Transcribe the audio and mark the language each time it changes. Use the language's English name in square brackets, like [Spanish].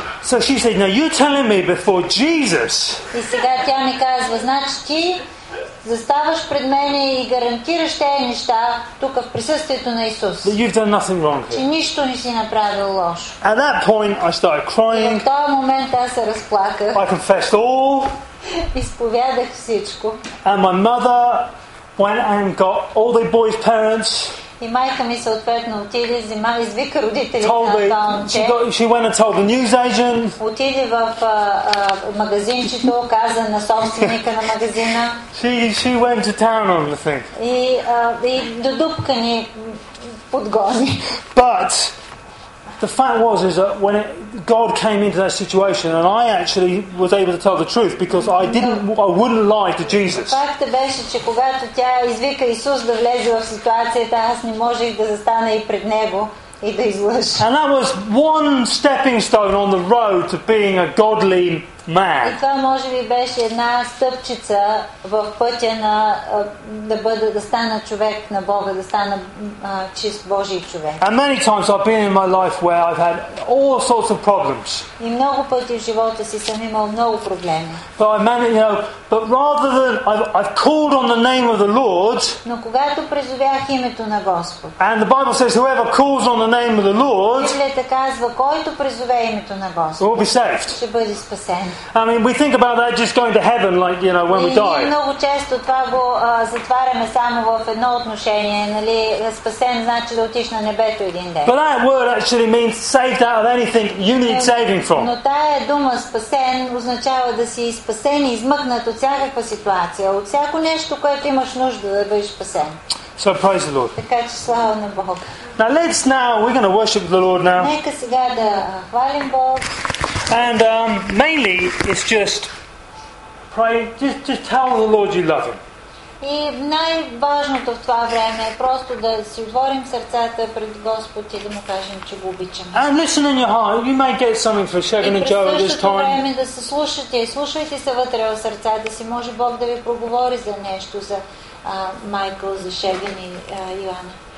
[English] So she said, now you're telling me before Jesus. [Bulgarian] И сега тя ми казва, значи ти заставаш пред мене и гарантираш тези неща тук в присъствието на Исус. [English] That you've done nothing wrong here. [Bulgarian] Че нищо не си направил лошо. [English] At that point I started crying. [Bulgarian] И в този момент аз се разплаках. [English] I confessed all. [Bulgarian] Изповядах всичко. [English] And my mother went and got all the boys' parents. [Bulgarian] И майка ми съответно отиде, взима и извика родителите на Тонче. [English] She went and told the news agent. [Bulgarian] Отиде в магазинчето, каза на собственика на магазина. [English] She went to town on the thing. [Bulgarian] И до дупка ни подгони. [English] But the fact was is that when God came into that situation and I actually was able to tell the truth because I wouldn't lie to Jesus. [Bulgarian] Факт беше, че когато тя извика Исус да влезе в ситуацията, аз не можех да застана и пред него и да излъжа. [English] And that was one stepping stone on the road to being a godly man. [Bulgarian] И това може би беше една стъпчица в пътя на да стана човек на Бога, да стана чист Божий човек. [English] And many times I've been in my life where I've had all sorts of problems. [Bulgarian] И много пъти в живота си съм имал много проблеми. [English] But I managed, but rather than I've called on the name of the Lord. [Bulgarian] Но когато призовях името на Господ. [English] And the Bible says whoever calls on the name of the Lord. [Bulgarian] Библията казва, който призове името на Господ. [English] Will be saved. [Bulgarian] Ще бъде спасен. [English] I mean, we think about that just going to heaven, like, you know, when we die. [Bulgarian] Много често това го затваряме само в едно отношение, нали, спасен значи да отиш на небето един ден. [English] But that word actually means saved out of anything you need saving from. [Bulgarian] Но тая дума спасен означава да си спасен и измъкнат от всякаква ситуация, от всяко нещо, което имаш нужда да бъдеш спасен. [English] So praise the Lord. [Bulgarian] Така че слава на Бог. [English] Now let's now, we're going to worship the Lord now. [Bulgarian] Нека сега да хвалим Бог. [English] And mainly it's just pray, just tell the Lord you love him. [Bulgarian] И най-важното в това време е просто да си отворим сърцата пред Господ и да му кажем, че го обичаме. [English] And listen in your heart, you may get something for Shagun and Joe at this time. [Bulgarian] И през време да се слушате, слушайте се вътре в сърца, да си може Бог да ви проговори за нещо, за Майкъл, за Шегън и Йоанна.